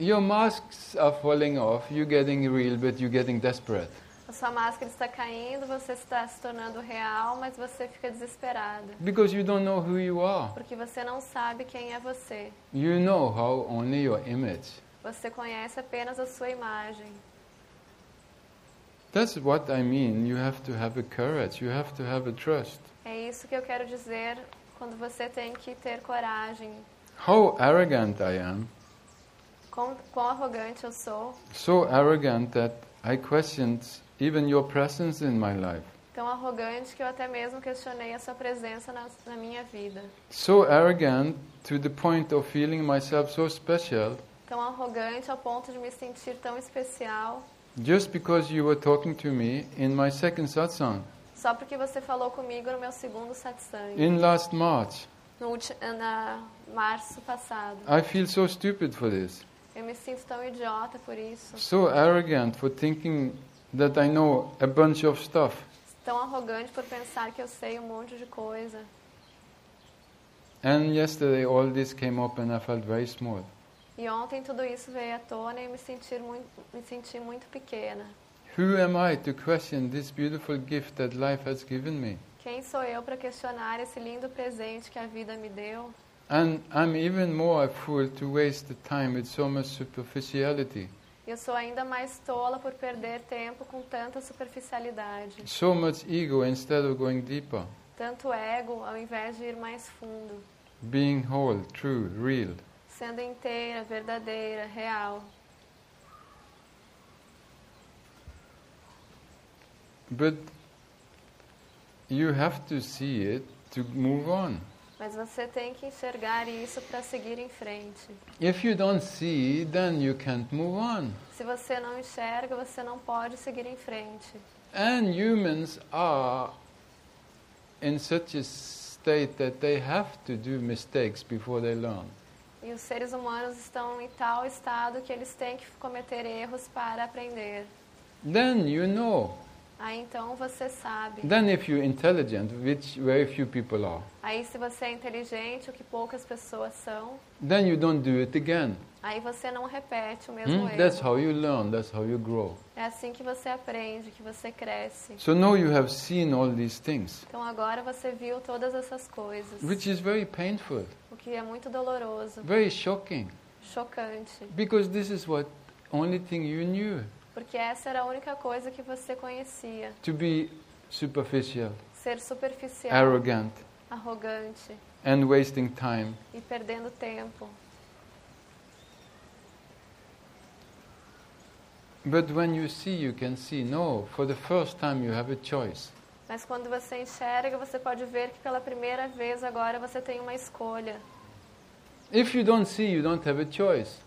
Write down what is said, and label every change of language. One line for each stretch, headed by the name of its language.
English: Your masks are falling off, you're getting real, but you're getting desperate.
Portuguese: A sua máscara está caindo, você está se tornando real, mas você fica desesperada.
English: Because you don't know who you are.
Portuguese: Porque você não sabe quem é você.
English: You know how only your image.
Portuguese: Você conhece apenas a sua imagem.
English: That's what I mean. You have to have a courage. You have to have a trust.
Portuguese: É isso que eu quero dizer quando você tem que ter coragem.
English: How arrogant I am.
Portuguese: Quão arrogante eu sou.
English: So arrogant that I questioned even your presence in my life.
Portuguese: Tão arrogante que eu até mesmo questionei a sua presença na minha vida.
English: So arrogant to the point of feeling myself so special.
Portuguese: Tão arrogante ao ponto de me sentir tão especial.
English: Just because you were talking to me in my second satsang.
Portuguese: Só porque você falou comigo no meu segundo satsang.
English: In last March.
Portuguese: Na março passado.
English: I feel so stupid for this.
Portuguese: Eu me sinto tão idiota por isso.
English: So arrogant for thinking that I know a bunch of stuff.
Portuguese: Tão arrogante por pensar que eu sei um monte de coisa.
English: And yesterday all this came up and I felt very small.
Portuguese: E ontem tudo isso veio à tona e me senti muito pequena.
English: Who am I to question this beautiful gift that life has given me?
Portuguese: Quem sou eu para questionar esse lindo presente que a vida me deu?
English: And I'm even more a fool to waste the time with so much superficiality.
Portuguese: Eu sou ainda mais tola por perder tempo com tanta superficialidade.
English: So much ego instead of going deeper.
Portuguese: Tanto ego ao invés de ir mais fundo.
English: Being whole, true, real.
Portuguese: Sendo inteira, verdadeira, real.
English: But you have to see it to move on.
Portuguese: Mas você tem que enxergar isso para seguir em frente.
English: If you don't see, then you can't move on.
Portuguese: Se você não enxerga, você não pode seguir em frente.
English: And humans are in such a state that they have to do mistakes before they learn.
Portuguese: E os seres humanos estão em tal estado que eles têm que cometer erros para aprender.
English: Then you know.
Portuguese: Aí então você sabe.
English: Then if you're intelligent, which very few people are.
Portuguese: Aí se você é inteligente, o que poucas pessoas são.
English: Then you don't do it again.
Portuguese: Aí você não repete o mesmo erro.
English: That's how you learn, that's how you grow.
Portuguese: É assim que você aprende, que você cresce.
English: So now you have seen all these things.
Portuguese: Então agora você viu todas essas coisas.
English: Which is very painful.
Portuguese: O que é muito doloroso.
English: Very shocking.
Portuguese: Chocante.
English: Because this is what only thing you knew.
Portuguese: Porque essa era a única coisa que você conhecia.
English: To be superficial.
Portuguese: Ser superficial.
English: Arrogant.
Portuguese: Arrogante.
English: And wasting time.
Portuguese: E perdendo tempo.
English: But when you can see, no, for the first time you have a choice.
Portuguese: Mas quando você enxerga, você pode ver que pela primeira vez agora você tem uma escolha.
English: If you don't see, you don't have a choice.